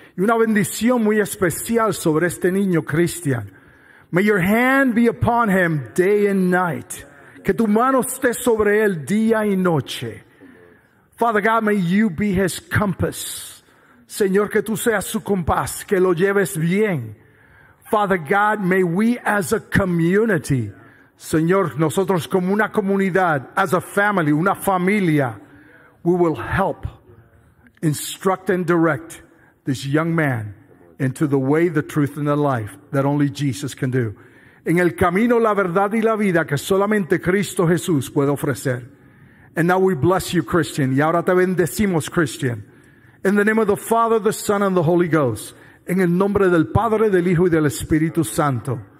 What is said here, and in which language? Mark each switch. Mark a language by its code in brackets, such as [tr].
[es] Y una bendición muy especial sobre este niño, Christian. [en] May your hand be upon him day and night. [es] Que tu mano esté sobre él día y noche. [en] Father God, may you be his compass. [es] Señor, que tú seas su compás, que lo lleves bien. [en] Father God, may we as a community, [es] Señor, nosotros como una comunidad, [en] as a family, [es] una familia, [en] we will help instruct and direct this young man into the way, the truth, and the life that only Jesus can do. [es] En el camino, la verdad y la vida que solamente Cristo Jesús puede ofrecer. [en] And now we bless you, Christian. [es] Y ahora te bendecimos, [en] Christian. In the name of the Father, the Son, and the Holy Ghost. [es] En el nombre del Padre, del Hijo, y del Espíritu Santo.